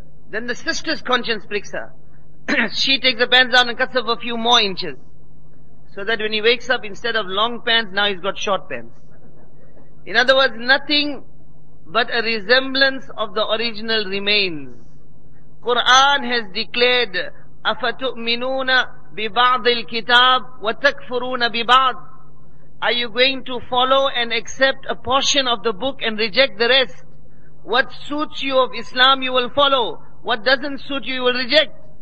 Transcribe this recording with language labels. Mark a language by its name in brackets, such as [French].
[English] Then the sister's conscience pricks her. She takes the pants down and cuts off a few more inches. So that when he wakes up, instead of long pants, now he's got short pants. In other words, nothing but a resemblance of the original remains. Quran has declared, [Arabic] أَفَتُؤْمِنُونَ بِبَعْضِ الْكِتَابِ وَتَكْفُرُونَ بِبَعْضِ. [English] Are you going to follow and accept a portion of the book and reject the rest? What suits you of Islam, you will follow. What doesn't suit you, you will reject.